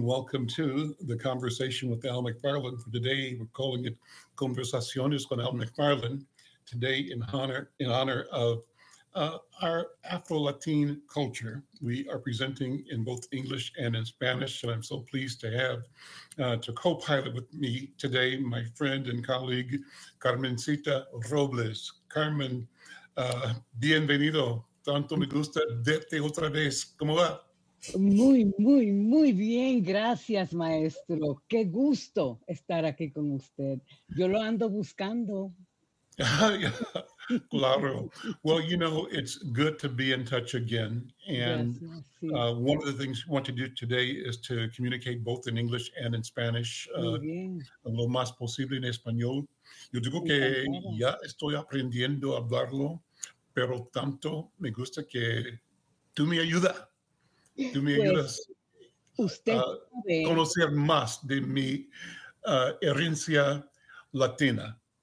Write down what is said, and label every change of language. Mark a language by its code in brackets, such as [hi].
[en] Welcome to The Conversation with Al McFarlane. For today, we're calling it Conversaciones con Al McFarlane. Today, in honor of Our Afro-Latin culture, we are presenting in both English and in Spanish, and I'm so pleased to have to co-pilot with me today my friend and colleague, Carmencita Robles. [es] Carmen, bienvenido. Tanto me gusta verte otra vez. ¿Cómo va? Muy, muy, muy bien. Gracias, maestro. Qué gusto estar aquí con usted. Yo lo ando buscando. Claro. [en] Well, you know, it's good to be in touch again. And yes, sí. One of the things we want to do today is to communicate both in English and in Spanish. [es] Lo más posible en español. Yo digo que ya estoy aprendiendo a hablarlo, pero tanto me gusta que tú me ayudas. Tú me ayudas usted a conocer más de mi herencia latina.